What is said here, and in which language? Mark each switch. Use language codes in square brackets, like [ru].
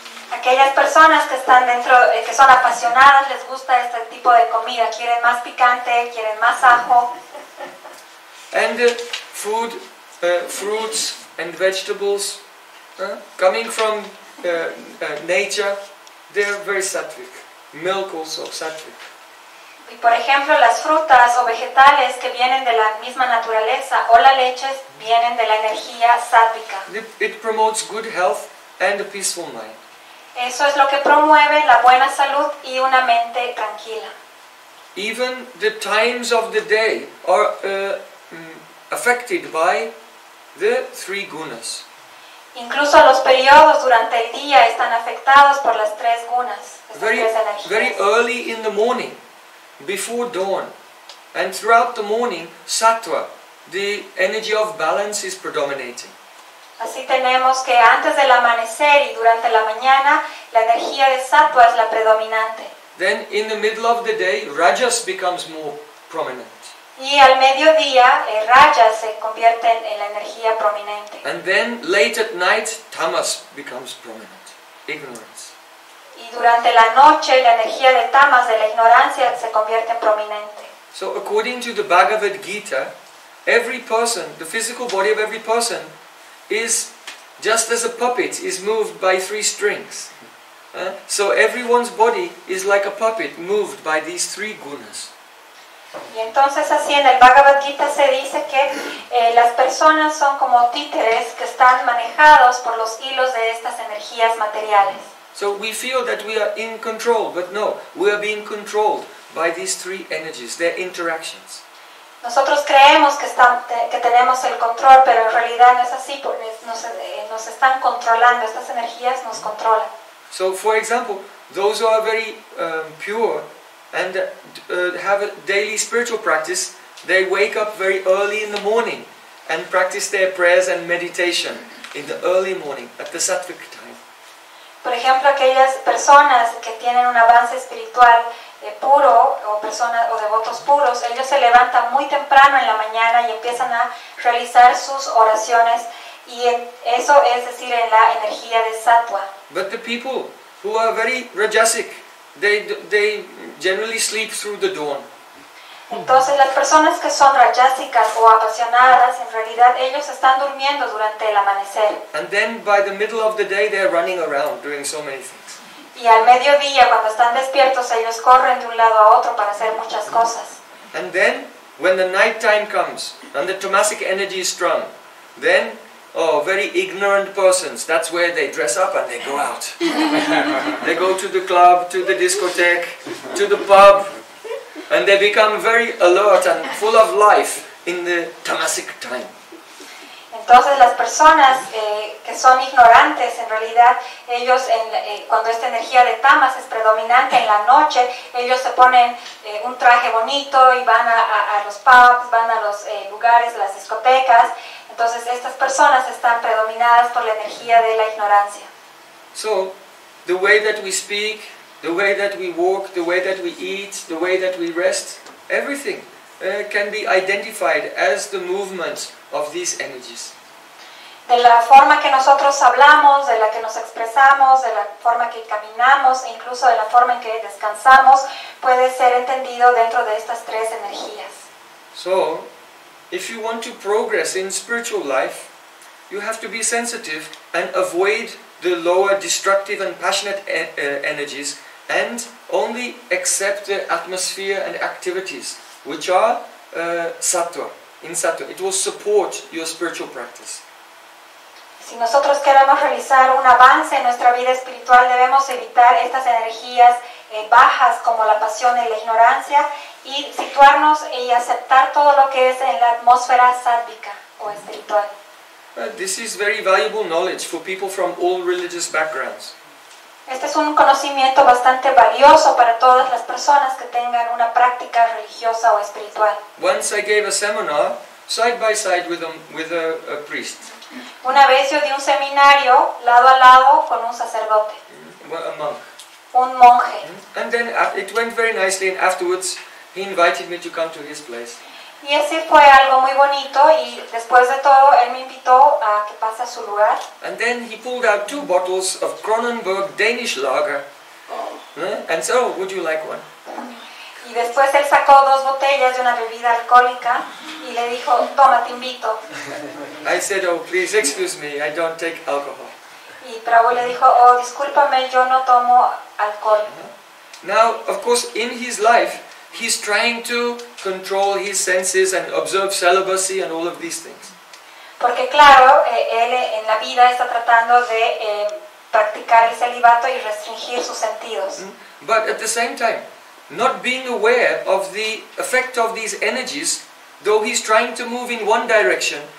[es] Aquellas personas que están dentro, que son apasionadas, les gusta este tipo de comida. Quieren más picante, quieren más ajo. [en] And food, fruits and vegetables, coming from nature, they are very sattvic. Milk also sattvic. [es] Y por ejemplo, las frutas o vegetales que vienen de la misma naturaleza o la leche vienen de la energía sattvica. [en] It promotes good health and a peaceful mind. [es] Eso es lo que promueve la buena salud y una mente tranquila. [en] Even the times of the day are affected by the three gunas. [es] Incluso los periodos durante el día están afectadas por las tres gunas, energías. [en] Very early in the morning, before dawn, and throughout the morning, sattva, the energy of balance is predominating. [es] Así tenemos que antes del amanecer y durante la mañana, la energía de sattva es la predominante. [en] Then in the middle of the day, rajas becomes more prominent. [es] Y al mediodía, el rajas se convierte en la energía prominente. [en] And then late at night, tamas becomes prominent. Ignorance. [es] Y durante la noche, la energía de tamas, de la ignorancia, se convierte en prominente. [en] So according to the Bhagavad Gita, every person, the physical body of every person, is just as a puppet is moved by three strings. So everyone's body is like a puppet moved by these three gunas. [es] Y entonces así en el Bhagavad Gita se dice que las personas son como títeres que están manejados por los hilos de estas energías materiales. [en] So we feel that we are in control, but no, we are being controlled by these three energies, their interactions. [es] Nosotros creemos que tenemos el control, pero en realidad no es así, porque nos están controlando, estas energías nos controlan. [en] So, for example, those who are very pure and have a daily spiritual practice, they wake up very early in the morning and practice their prayers and meditation in the early morning at the sattvic time. [es] Por ejemplo, aquellas personas que tienen un avance espiritual puro o personas o devotos puros, ellos se levantan muy temprano en la mañana y empiezan a realizar sus oraciones y eso es decir en la energía de sattva. [en] But the people who are very rajasic, they generally sleep through the dawn. [es] Entonces las personas que son rajasicas o apasionadas, en realidad ellos están durmiendo durante el amanecer. [en] And then by the middle of the day they're running around doing so many things. [es] Y al mediodía cuando están despiertos ellos corren de un lado a otro para hacer muchas cosas. [en] And then when the night time comes and the tamasic energy is strong, then very ignorant persons, that's where they dress up and they go out. They go to the club, to the discotheque, to the pub, and they become very alert and full of life in the tamasic time. [es] Entonces las personas que son ignorantes, en realidad, ellos cuando esta energía de tamas es predominante en la noche, ellos se ponen un traje bonito y van a los pubs, van a los lugares, las discotecas. Entonces estas personas están predominadas por la energía de la ignorancia. [en] So, the way that we speak, the way that we walk, the way that we eat, the way that we rest, everything can be identified as the movements of these energies. [es] De la forma que nosotros hablamos, de la que nos expresamos, de la forma que caminamos, incluso de la forma en que descansamos, puede ser entendido dentro de estas tres energías. [en] So, if you want to progress in spiritual life, you have to be sensitive and avoid the lower destructive and passionate energies and only accept the atmosphere and activities which are sattva. It will support your spiritual practice. [es] Si nosotros queremos realizar un avance en nuestra vida espiritual, debemos evitar estas energías bajas como la pasión y la ignorancia y situarnos y aceptar todo lo que es en la atmósfera sattvica o espiritual. [en] This is very valuable knowledge for people from all religious backgrounds. [es] Este es un conocimiento bastante valioso para todas las personas que tengan una práctica religiosa o espiritual. [en] Once I gave a seminar side by side with a priest. [es] Una vez yo di un seminario lado a lado con un sacerdote. [en] A monk. [es] Un monje. [en] And then it went very nicely and afterwards he invited me to come to his place. [es] Y así fue algo muy bonito y después de todo él me invitó a que pase a su lugar. [en] And then he pulled out two bottles of Kronenbourg Danish lager. And so, would you like one? [es] Y después él sacó dos botellas de una bebida alcohólica y le dijo, toma, te invito. [en] I said, oh, please excuse me, I don't take alcohol. [es] Y Prabhu le dijo, oh, discúlpame, yo no tomo alcohol. [en] Now, of course, in his life, he's trying to control his senses and observe celibacy and all of these things. [es] Porque claro, él en la vida está tratando de practicar el celibato y restringir sus sentidos. [en] But at the same time, not being aware of the effect of these energies, though he's trying to move in one direction,